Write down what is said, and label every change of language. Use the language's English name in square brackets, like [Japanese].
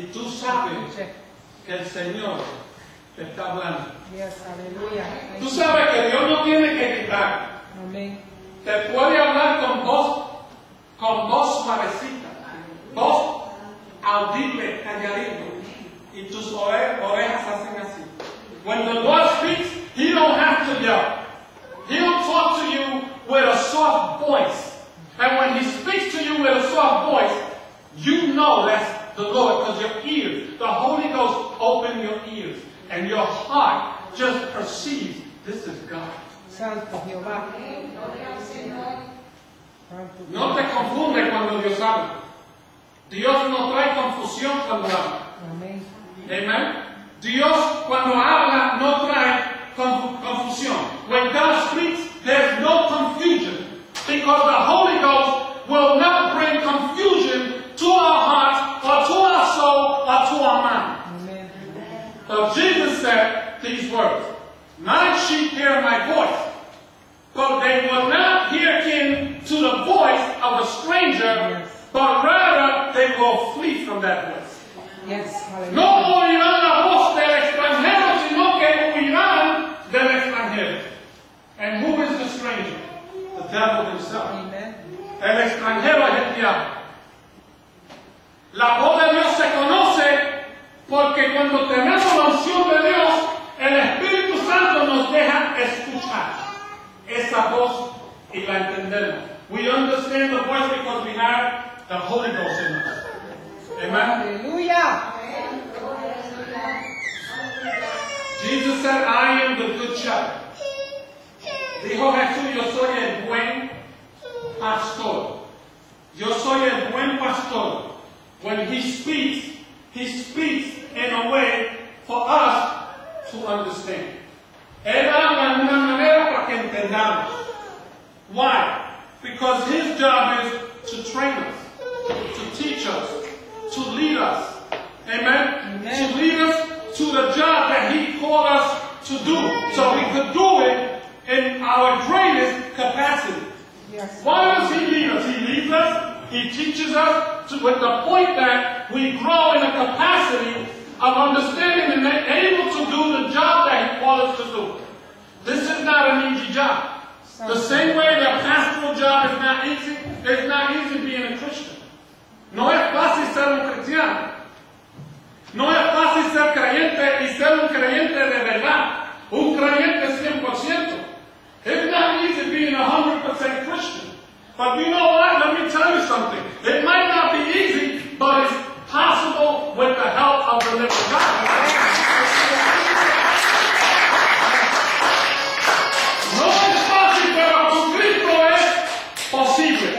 [Spanish] Y tú sabes que el Señor te está hablando. Yes, aleluya. Tú sabes que Dios no tiene que gritar. Amén. Te puede hablar con voz suavecita, voz audible, calladito. Y tus orejas hacen así. [English] When the Lord speaks, He don't have to yell. He'll talk to you with a soft voice. And when He speaks to you with a soft voice, you know that's the Lord, because your ears, the Holy Ghost opened your ears, and your heart just perceives this is God. [Spanish] Santo Jehová. No te confunde cuando Dios habla. Dios no trae confusión cuando habla. Amen. Amen. Dios cuando habla no trae confusión. [English] When God speaks, there's no confusion, because the Holy Ghost will not bring confusion to our hearts or to our soul or to our mind. Amen. So Jesus said these words, "My sheep hear my voice, but they will not hearken to the voice of a stranger, yes, but rather they will flee from that voice." Yes. [Spanish] No oirán la voz del extranjero, sino que oirán del extranjero. [English] And who is the stranger? The devil himself. Amen. [Spanish] El extranjero es el diablo. La voz de Dios se conoce porque cuando tenemos la unción de Dios, el Espíritu Santo nos deja escuchar esa voz y la entendemos. [English] We understand the voice because we have the Holy Ghost in us. Amen. Aleluya. Jesus said, "I am the good shepherd." [Spanish] Dijo Jesús, "Yo soy el buen pastor." Yo soy el buen pastor. [English] When he speaks in a way for us to understand. [Spanish] Él habla de una manera para que entendamos. [English] Why? Because his job is to train us, to teach us, to lead us. Amen? Amen. To lead us to the job that he called us to do, so we could do it in our greatest capacity. Yes. Why does he lead us? He leads us, he teaches us, with the point that we grow in a capacity of understanding and able to do the job that he called us to do. This is not an easy job. The same way the pastoral job is not easy, it's not easy being a Christian. [Spanish] No es fácil ser un cristiano. No es fácil ser creyente y ser un creyente de verdad. Un creyente 100%. [English] It's not easy being 100% Christian. But you know what? Let me tell you something. It might not be easy, but it's possible with the help of the living God. [Spanish] No es fácil, pero con Cristo es posible.